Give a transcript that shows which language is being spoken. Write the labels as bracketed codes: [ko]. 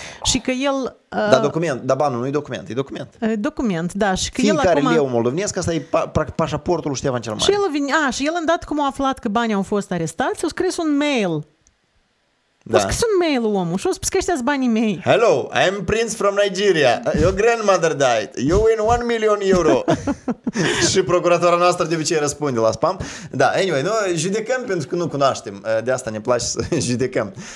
[ro] Și că el... Dar document, dar banul nu e document, e document. Document, da. Și că fiecare el acum... leu moldovnesc, asta e pașaportul lui Ștefan cel Mare. Și el, îndată cum a aflat că banii au fost arestați, a scris un mail. Da. A scris un mail omul și a spus că ăștia-s banii mei. [en] Hello, I'm Prince from Nigeria. Your grandmother died. You win 1,000,000 euro. [ro] Și procuratora noastră de obicei răspunde la spam. Da, anyway, nu judecăm pentru că nu cunoaștem. De asta ne place să judecăm.